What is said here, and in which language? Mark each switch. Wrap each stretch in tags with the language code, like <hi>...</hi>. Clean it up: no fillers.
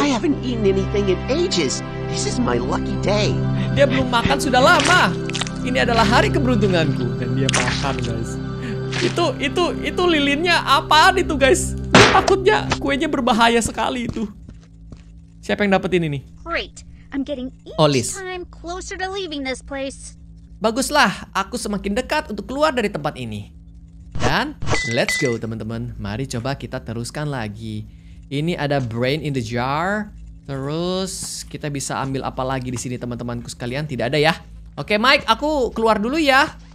<en>I haven't eaten anything in ages. This is my lucky day.</en> <id>Dia belum makan sudah lama. Ini adalah hari keberuntunganku. Dan dia makan, guys. Itu lilinnya apaan itu, guys? Takutnya kuenya berbahaya sekali itu. Siapa yang dapetin ini?</id> <en>Great. I'm getting each time closer to leaving this place.</en> <id>Baguslah, aku semakin dekat untuk keluar dari tempat ini. Dan</id> <en>let's go,</en> <id>teman-teman. Mari coba kita teruskan lagi. Ini ada brain in the jar. Terus kita bisa ambil apa lagi di sini, teman-temanku sekalian? Tidak ada ya. Oke, Mike, aku keluar dulu ya.</id>